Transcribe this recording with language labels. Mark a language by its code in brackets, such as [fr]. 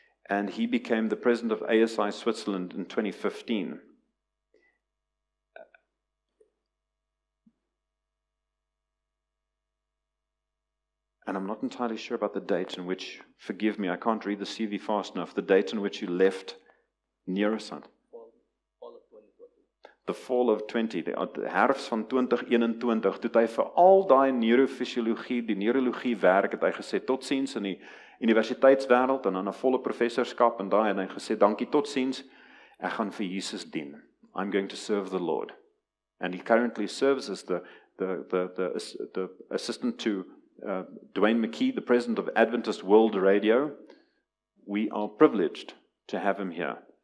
[en] And he became the president of ASI Switzerland in 2015. And I'm not entirely sure about the date in which, forgive me, I can't read the CV fast enough, the date in which you left neuroscience. The fall of 20, [af] the herfst van 2021, toe het hy vir al die neurofisiologie, die neurologie werk, het hy gesê, tot ziens in die universiteitswereld, en aan 'n volle professorskap, en daar, en hy gesê, dankie, tot ziens, ek gaan vir Jesus dien. [en] I'm going to serve the Lord. And he currently serves as the assistant to Dwayne McKee, the president of Adventist World Radio. We are privileged to have him here.